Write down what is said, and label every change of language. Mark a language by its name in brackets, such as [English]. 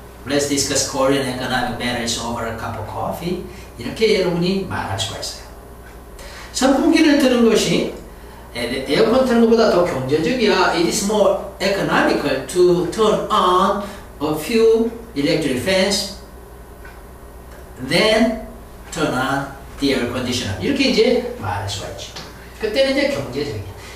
[English] Let's discuss Korean economic matters over a cup of coffee. [Korean] 이렇게 여러분이 말할 수가 있어요. 선풍기를 트는 것이 에어컨 트는 것보다 더 경제적이야. [English] It is more economical to turn on a few electric fans. Then turn on the air conditioner. [Korean] 이렇게 이제 말할 수가 있죠. 그때는 이제 경제적이야.